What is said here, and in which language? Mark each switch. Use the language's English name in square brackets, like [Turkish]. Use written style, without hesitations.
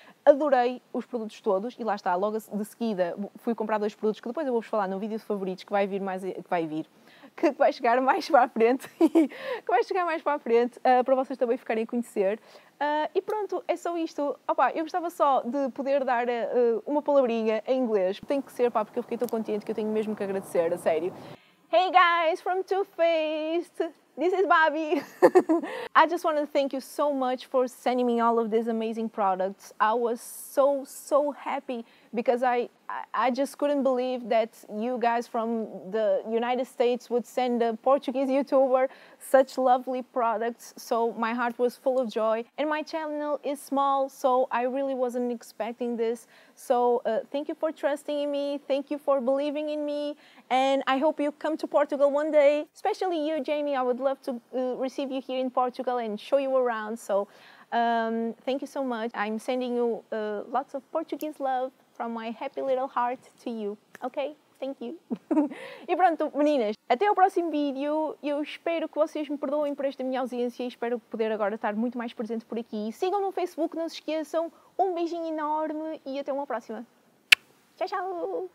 [Portuguese] Adorei os produtos todos e lá está, logo de seguida fui comprar dois produtos que depois eu vou-vos falar no vídeo de favoritos que vai vir mais, que vai chegar mais para a frente, para vocês também ficarem a conhecer. E pronto, é só isto. Opa, eu gostava só de poder dar uma palavrinha em inglês, tem que ser, pá, porque eu fiquei tão contente que eu tenho mesmo que agradecer, a sério. [English] Hey guys, from Too Faced! This is Bobby. I just want to thank you so much for sending me all of these amazing products. I was so, so happy because I just couldn't believe that you guys from the United States would send a Portuguese YouTuber such lovely products. So my heart was full of joy. And my channel is small, so I really wasn't expecting this. So thank you for trusting in me. Thank you for believing in me. And I hope you come to Portugal one day. Especially you, Jamie. I would love to receive you here in Portugal and show you around. So thank you so much. I'm sending you lots of Portuguese love from my happy little heart to you, okay? Thank you. [Portuguese] E pronto, meninas, até ao próximo vídeo. Eu espero que vocês me perdoem por esta minha ausência e espero poder agora estar muito mais presente por aqui. Sigam no Facebook, não se esqueçam. Um beijinho enorme e até uma próxima. Tchau, tchau!